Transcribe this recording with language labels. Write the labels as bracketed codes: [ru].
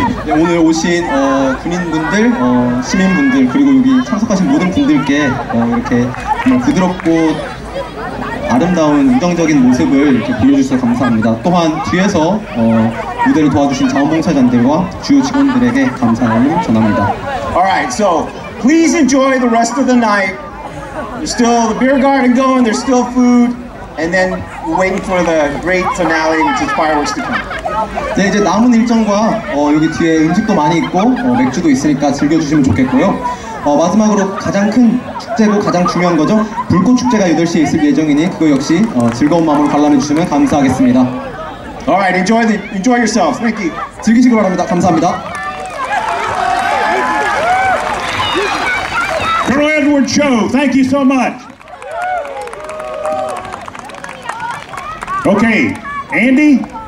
[ko] 오늘 오신 군인분들, 시민분들, 그리고 여기 참석하신 모든 분들께 이렇게 부드럽고 아름다운 긍정적인 모습을 이렇게 보여주셔서 감사합니다. 또한 뒤에서 무대를 도와주신 자원봉사자들과 주요 직원들에게 감사를 전합니다. [en] Alright, so please enjoy the rest of the night. There's still the beer garden going, there's still food, and then waiting for the great finale, which is fireworks to come. [ko] 네, 이제 남은 일정과 여기 뒤에 음식도 많이 있고 맥주도 있으니까 즐겨주시면 좋겠고요. 마지막으로 가장 큰 축제고 가장 중요한 거죠. 불꽃 축제가 8시에 있을 예정이니 그거 역시 즐거운 마음으로 관람해주시면 감사하겠습니다. [en] Alright, enjoy yourselves. Thank you. [ko] 즐기시기 바랍니다. 감사합니다. [en] Colonel Edward Cho, thank you so much. Okay, Andy?